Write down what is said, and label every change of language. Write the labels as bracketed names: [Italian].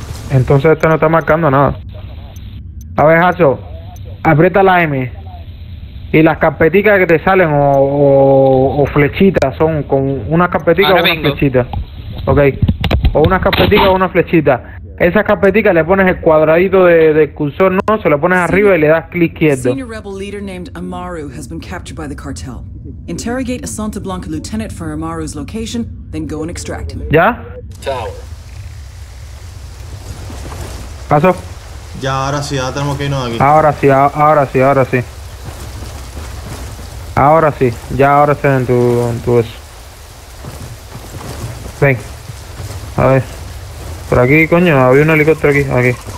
[Spanish] Entonces esto no está marcando nada. A ver, Hacho, aprieta la M. Y las carpeticas que te salen o flechitas son con unas carpeticas o una flechita. Ok. O unas carpeticas o una flechita. Esas carpeticas le pones el cuadradito de cursor, ¿no? Se lo pones arriba y le das clic izquierdo. [English] Senior rebel leader named Amaru has been captured by the cartel. Interrogate a Santa Blanca lieutenant for Amaru's location, then go and extract him. [Spanish] ¿Ya? ¿Pasó? Ya, ahora sí, ahora tenemos que irnos de aquí. Ahora sí, ahora sí. Ahora sí, ya ahora está en tu eso. Ven. A ver. Por aquí, coño, había un helicóptero aquí.